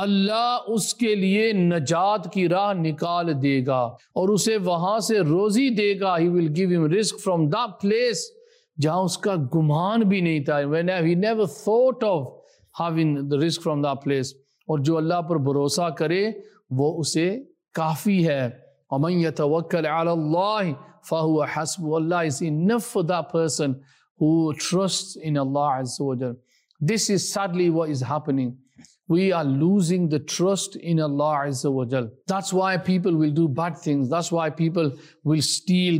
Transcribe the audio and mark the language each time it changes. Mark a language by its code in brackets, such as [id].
[ur] اللہ اس کے لیے نجات کی راہ نکال دے گا اور اسے وہاں سے روزی دے گا. [en] He will give him risk from that place [ur] جہاں اس کا گمان بھی نہیں تھا. [en] When he never thought of having the risk from that place. [ur] اور جو اللہ پر بھروسہ کرے وہ اسے کافی ہے. [ar] وَمَنْ يَتَوَكَّلْ عَلَى اللَّهِ فَهُوَ حَسْبُ. [en] Allah is enough for that person who trusts in Allah Azza wa Jal. This is sadly what is happening. We are losing the trust in Allah Azza wa Jal. That's why people will do bad things. That's why people will steal.